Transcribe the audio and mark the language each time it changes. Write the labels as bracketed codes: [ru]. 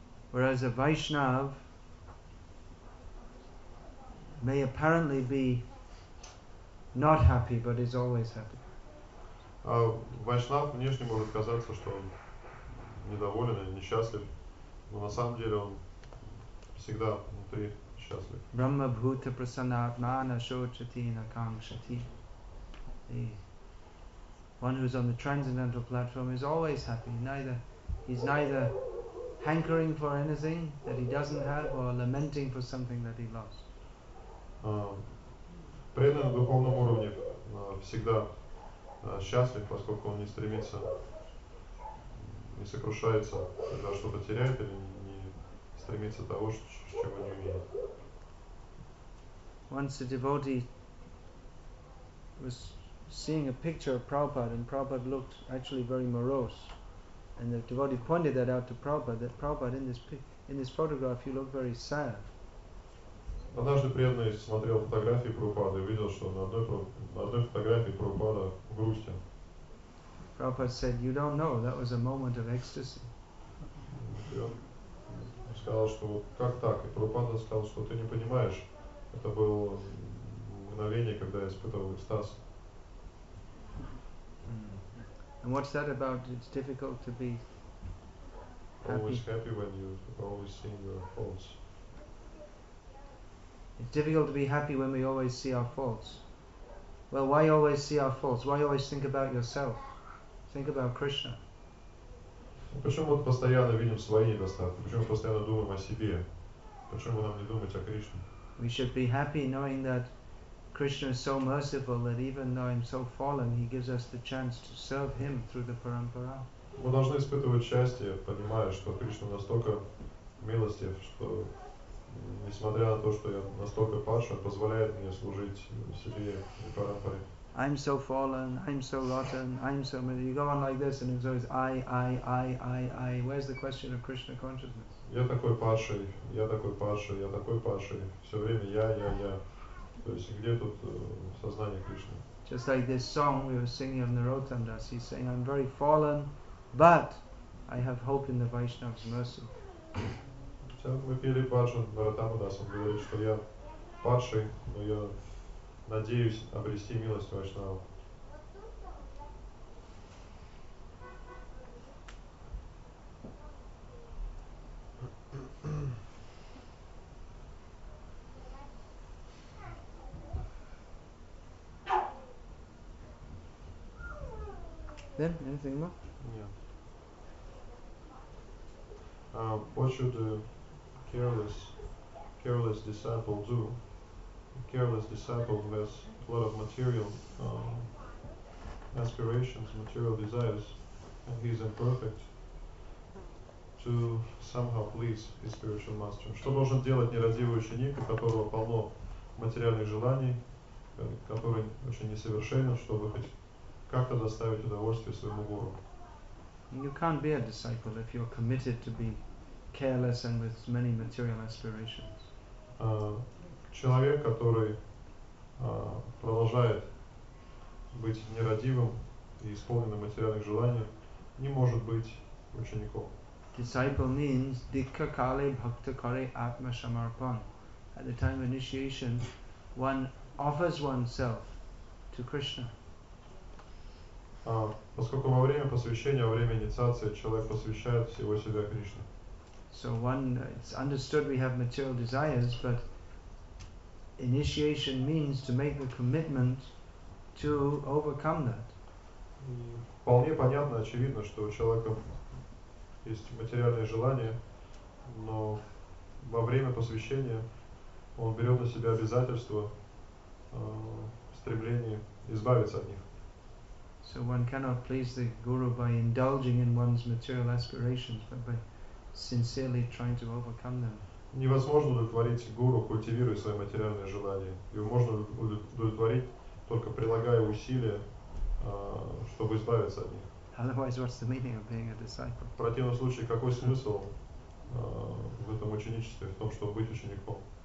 [en] Whereas a Vaishnav may apparently be not happy, but is always happy. [ru] А Вайшнав внешне может казаться, что он недоволен или несчастлив, но на самом деле он всегда внутри счастлив. [sa] Brahma Bhuta Prasanna Atmana Shochati Nakangshati. [en] The one who's on the transcendental platform is always happy. He's neither hankering for anything that he doesn't have or lamenting for something that he lost. [ru] Преданный на духовном уровне всегда счастлив, поскольку он не стремится, не сокрушается, когда что-то теряет, или не стремится того, чего не умеет. [en] Once a devotee was seeing a picture of Prabhupada, and Prabhupada looked actually very morose, and the devotee pointed that out to Prabhupada, that Prabhupada, in this photograph you look very sad. [ru] Однажды преданный смотрел фотографии Прабхупады и увидел, что на одной фотографии Прабхупада грустен. [en] Prabhupada said, "You don't know. That was a moment of ecstasy." [ru] Он сказал, что как так? И Прабхупада сказал, что ты не понимаешь. Это было мгновение, когда я испытывал экстаз. [en] And what's that about? It's difficult to be happy. Always happy when you always seeing your faults. It's difficult to be happy when we always see our faults. Well, why always see our faults? Why always think about yourself? Think about Krishna. [ru] Почему мы постоянно видим свои недостатки? Почему мы постоянно думаем о себе? Почему нам не думать о Кришне? [en] We should be happy knowing that Krishna is so merciful that even though I'm so fallen, he gives us the chance to serve him through the parampara. [ru] Мы должны испытывать счастье, понимая, что Кришна настолько милостив, что несмотря на то, что я настолько падший, позволяет мне служить себе и парампаре. [en] I'm so fallen, I'm so rotten, I'm so... You go on like this and it's always I. Where's the question of Krishna consciousness? [ru] Я такой падший, я такой падший, я такой падший. Все время я. То есть где тут сознание Кришны? [en] Just like this song we were singing of Narottam Das. He's saying, I'm very fallen, but I have hope in the Vaishnava's mercy. [ru] Мы пели Бхаджан Наратама Дас. Он говорит, что я падший, но я... Надеюсь обрести милость Вайшнава. [en] Then anything more? Yeah. What should a careless disciple do? Careless disciple who has a lot of material aspirations, material desires, and he is imperfect, to somehow please his spiritual master. [ru] Что должен делать нерадивый ученик, у которого полно материальных желаний, который очень несовершенен, чтобы хоть как-то доставить удовольствие своему гуру? [en] You can't be a disciple if you're committed to be careless and with many material aspirations. [ru] Человек, который продолжает быть нерадивым и исполненным материальных желаний, не может быть учеником. [en] Disciple means [bn] dikkha kale bhakta kare atma samarpan. [en] At the time of initiation, one offers oneself to Krishna. [ru] Поскольку во время посвящения, во время инициации, человек посвящает всего себя Кришне. [en] So one, it's understood we have material desires, but initiation means to make the commitment to overcome that. [ru] Вполне понятно, очевидно, что у человека есть материальное желание, но во время посвящения он берет на себя обязательство стремление избавиться от них. [en] So one cannot please the guru by indulging in one's material aspirations, but by sincerely trying to overcome them. [ru] Невозможно удовлетворить гуру, культивируя свои материальные желания. Его можно удовлетворить, только прилагая усилия, чтобы избавиться от них. [en] Otherwise, what's the meaning of being a disciple? [ru] В противном случае, какой смысл в этом ученичестве, в том, чтобы быть учеником?